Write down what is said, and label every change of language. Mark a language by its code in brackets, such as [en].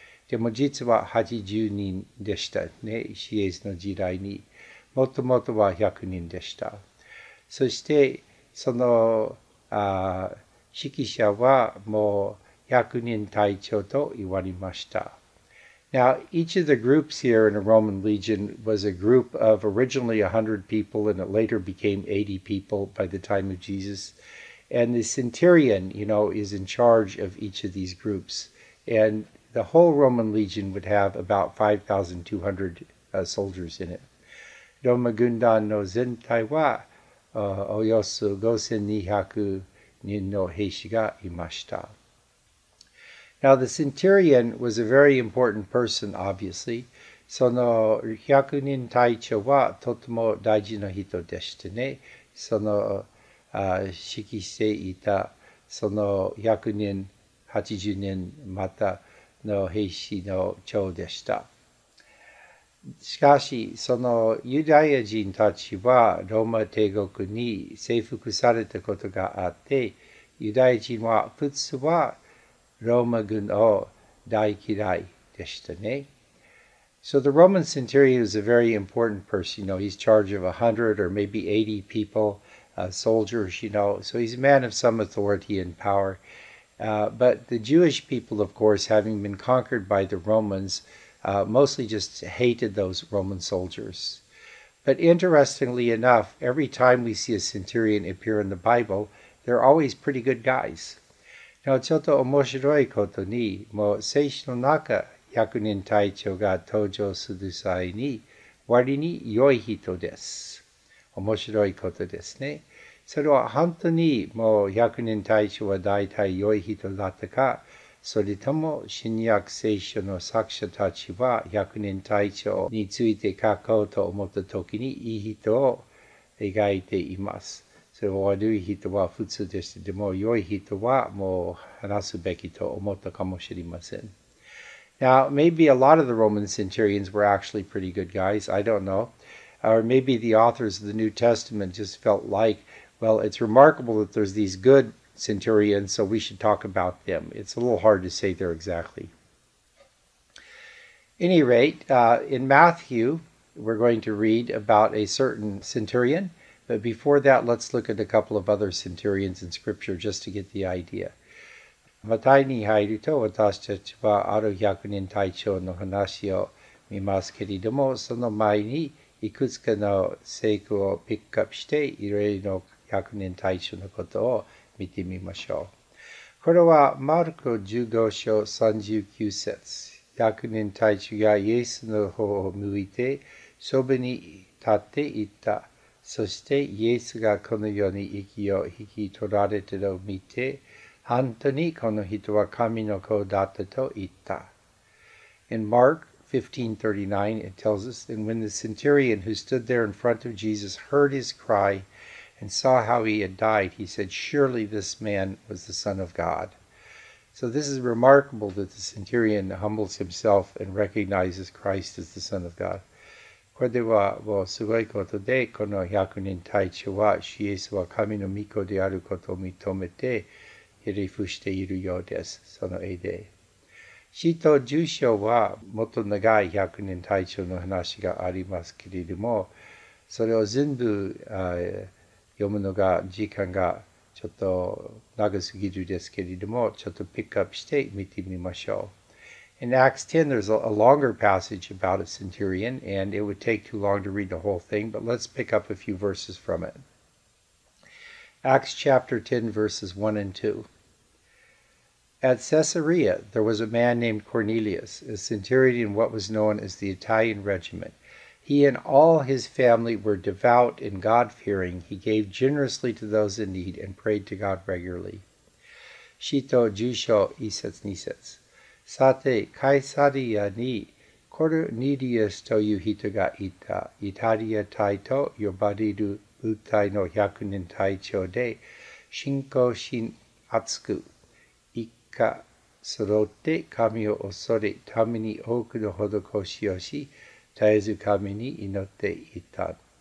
[ja] でも実は80人でしたね、シエスの時代に。もともとは100人でした。そしてその指揮者はもう百人隊長と言われました。 [en] Now, each of the groups here in a Roman legion was a group of originally 100 people and it later became 80 people by the time of Jesus. And the centurion, you know, is in charge of each of these groups. And the whole Roman legion would have about 5,200 soldiers in it. [ja] ローマ軍団の全体はおよそ5,200人の兵士がいました。 [en] Now, the centurion was a very important person, obviously. [ja] その百人隊長はとても大事な人でしたね。その指揮していた、その百人、80人またの兵士の長でした。しかし、そのユダヤ人たちはローマ帝国に征服されたことがあって、ユダヤ人は普通はローマ軍を大嫌いでしたね。 [en] So the Roman centurion is a very important person. You know, he's charge of 100 or maybe 80 people, soldiers, you know. So he's a man of some authority and power. But the Jewish people, of course, having been conquered by the Romans, mostly just hated those Roman soldiers. But interestingly enough, every time we see a centurion appear in the Bible, they're always pretty good guys. [ja] ちょっと面白いことに、もう聖書の中、百人隊長が登場する際に、割に良い人です。面白いことですね。それは本当にもう百人隊長は大体良い人だったか、それとも新約聖書の作者たちは百人隊長について書こうと思った時に、いい人を描いています。それは悪い人は普通でした。でも良い人はもう話すべきと思ったかもしれません。 [en] Now, maybe a lot of the Roman centurions were actually pretty good guys. I don't know. Or maybe the authors of the New Testament just felt like, well, it's remarkable that there's these good centurion, so we should talk about them. It's a little hard to say there exactly. At any rate, in Matthew, we're going to read about a certain centurion. But before that, let's look at a couple of other centurions in Scripture just to get the idea. [ja] Matthew に入ると、私たちはある百人隊長の話を見ますけれども、その前にいくつかの聖句をピックアップして、いろいろの百人隊長のことを見てみましょう。これはマルコ15章39節。百人隊長がイエスの方を向いて、そばに立っていった。そしてイエスがこのように息を引き取られてるのを見て、本当にこの人は神の子だったと言った。 [en] In Mark 15:39, it tells us, And when the centurion who stood there in front of Jesus heard his cry and saw how he had died, he said, Surely this man was the Son of God. So this is remarkable that the centurion humbles himself and recognizes Christ as the Son of God. [ja] これではもうすごいことで、この百人隊長は、イエスは神の御子であることを認めて、ヘリフしているようです。その絵で。使徒十章は、もっと長い百人隊長の話がありますけれども、それを全部読むのが、時間がちょっと長すぎるですけれども、ちょっとピックアップして見てみましょう。 [en] In Acts 10, there's a longer passage about a centurion, and it would take too long to read the whole thing, but let's pick up a few verses from it. Acts chapter 10, verses 1 and 2. At Caesarea, there was a man named Cornelius, a centurion in what was known as the Italian regiment. He and all his family were devout and God-fearing. He gave generously to those in need and prayed to God regularly. [ja] 使徒十章一節二節。さて、カイサリアにコルニリアスという人がいた。イタリア隊と呼ばれる部隊の百人隊長で、信仰心厚く、一家揃って神を恐れ、民に多くの施しをし、絶えず神に祈っていた。